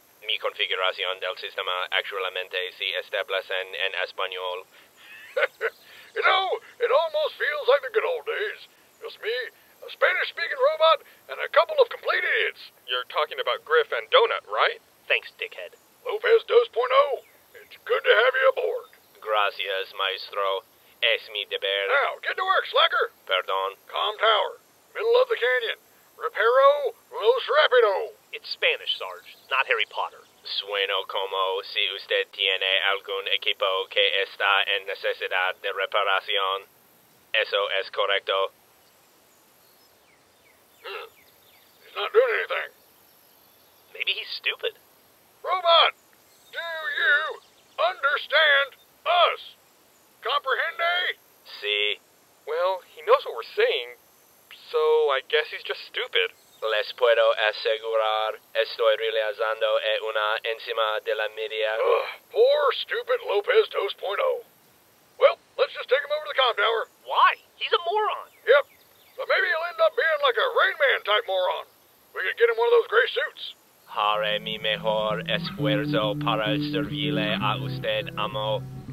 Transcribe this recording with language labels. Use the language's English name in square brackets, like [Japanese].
[Spanish] Mi configuración del sistema actualmente se establece en español. [English] You know, it almost feels like the good old days. Just me, a Spanish-speaking robot, and a couple of complete idiots. You're talking about Griff and Donut, right? Thanks, dickhead. Lopez 2.0, it's good to have you aboard. [Spanish] Gracias, maestro. Es mi deber. [English] Now, get to work, slacker. [Spanish] Perdón. [English] Calm tower. Middle of the canyon. [Spanish] Reparo los rápido. [English] It's Spanish, Sarge, not Harry Potter. [Spanish] Sueno como si usted tiene algún equipo que está en necesidad de reparación. Eso es correcto. [English] He's not doing anything. Maybe he's stupid. Robot, do you understand us? [Spanish] Comprehende? Si. [English] Well, he knows what we're saying, so I guess he's just stupid. [Spanish] Les puedo asegurar, estoy realizando una encima de la media. [English] Ugh, poor, stupid Lopez 2.0. Well, let's just take him over to the comm tower. Why? He's a moron. Yep, but maybe he'll end up being like a Rain Man type moron. We could get him one of those gray suits. [Spanish] Haré mi mejor esfuerzo para servirle a usted, amo.